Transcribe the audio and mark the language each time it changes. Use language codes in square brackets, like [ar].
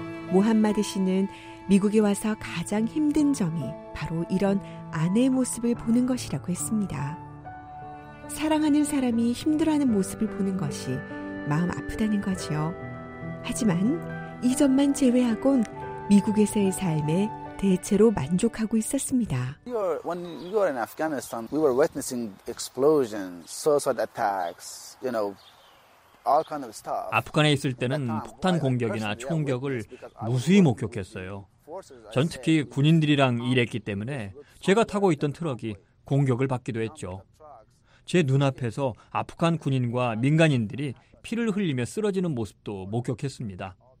[ko] 무함마드 씨는 미국에 와서 가장 힘든 점이 바로 이런 아내의 모습을 보는 것이라고 했습니다. 사랑하는 사람이 힘들어하는 모습을 보는 것이 마음 아프다는 거지요. 하지만 이 점만 제외하곤 미국에서의 삶에 대체로 만족하고 있었습니다. [en] When we were in Afghanistan, we were witnessing explosions, suicide attacks, you know. [ko] 아프간에 있을 때는 폭탄 공격이나 총격을 무수히 목격했어요. 전 특히 군인들이랑 일했기 때문에 제가 타고 있던 트럭이 공격을 받기도 했죠. 제 눈앞에서 아프간 군인과 민간인들이 피를 흘리며 쓰러지는 모습도 목격했습니다.